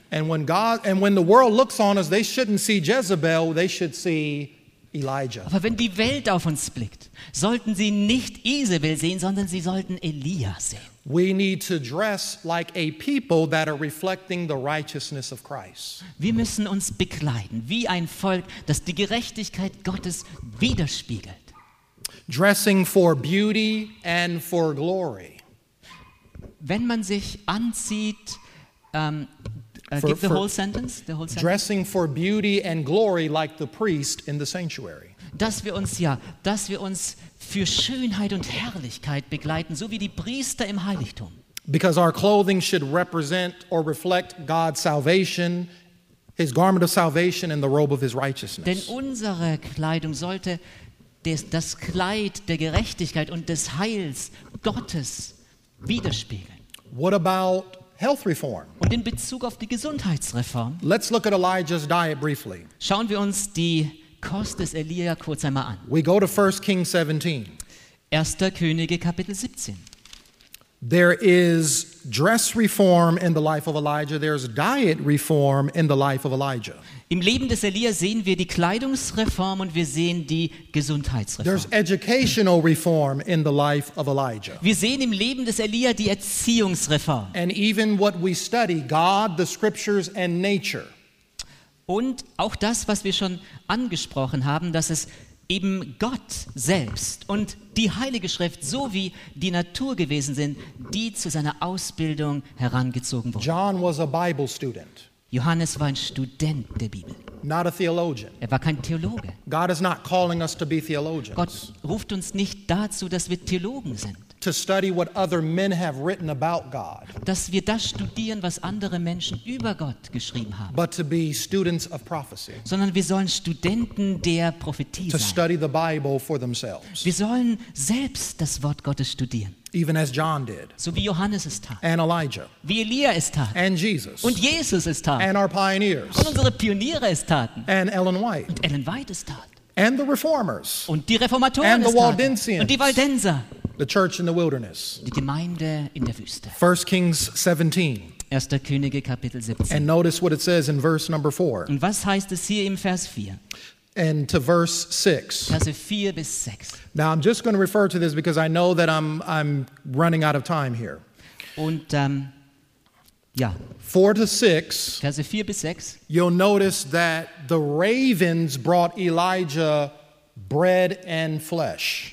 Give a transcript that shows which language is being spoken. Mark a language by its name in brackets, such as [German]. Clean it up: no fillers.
[English] And when God and when the world looks on us, they shouldn't see Jezebel, they should see Elijah. [German] Aber wenn die Welt auf uns blickt, sollten sie nicht Isebel sehen, sondern sie sollten Elia sehen. [English] We need to dress like a people that are reflecting the righteousness of Christ. [German] Wir müssen uns bekleiden wie ein Volk, das die Gerechtigkeit Gottes widerspiegelt. [English] Dressing for beauty and for glory. [German] Wenn man sich anzieht, [English] give the whole sentence. Dressing for beauty and glory like the priest in the sanctuary. [German] Dass wir uns für Schönheit und Herrlichkeit begleiten, so wie die Priester im Heiligtum. [English] Because our clothing should represent or reflect God's salvation, his garment of salvation and the robe of his righteousness. [German] Denn unsere Kleidung sollte das Kleid der Gerechtigkeit und des Heils Gottes widerspiegeln. [English] What about health reform? [German] Und in Bezug auf die Gesundheitsreform. [English] Let's look at Elijah's diet briefly. [German] Schauen wir uns die Kost des Elia kurz einmal an. [English] We go to 1 Kings 17. [German] 1. Könige Kapitel 17. [English] There is dress reform in the life of Elijah. There's diet reform in the life of Elijah. [German] Im Leben des Elia sehen wir die Kleidungsreform und wir sehen die Gesundheitsreform. [English] There's educational reform in the life of Elijah. [German] Wir sehen im Leben des Elia die Erziehungsreform. [English] And even what we study, God, the scriptures and nature. [German] Und auch das, was wir schon angesprochen haben, dass es eben Gott selbst und die Heilige Schrift sowie die Natur gewesen sind, die zu seiner Ausbildung herangezogen wurden. [English] John was a Bible student. [German] Johannes war ein Student der Bibel. [English] Not a theologian. [German] Er war kein Theologe. [English] God is not calling us to be theologians. [German] Gott ruft uns nicht dazu, dass wir Theologen sind. [English] to study what other men have written about God. [German] Dass wir das studieren, was andere Menschen über Gott geschrieben haben. [English] But to be students of prophecy. [German] Sondern wir sollen Studenten der Prophetie sein. [English] To study the Bible for themselves. [German] Wir sollen selbst das Wort Gottes studieren. [English] Even as John did. [German] So wie Johannes es tat. [English] And Elijah. [German] Wie Elia es tat. [English] And Jesus. [German] Und Jesus es tat. [English] And our pioneers. [German] Und unsere Pioniere es taten. [English] And Ellen White. [German] Und Ellen White es tat. [English] And the reformers. [German] Und die Reformatoren [English] and the Waldensians. [German] Und die Waldenser. [English] The church in the wilderness. [German] Die Gemeinde in der Wüste. [English] 1 Kings 17. [German] 1. Könige Kapitel 17. [English] And notice what it says in verse number 4. [German] Und was heißt es hier im Vers 4? [English] And to verse 6. [German] Verse 4 bis 6. [English] Now I'm just going to refer to this because I know that I'm running out of time here. [German] Und ja. [English] 4 to 6. [German] Verse 4 bis 6. [English] You'll notice that the ravens brought Elijah bread and flesh.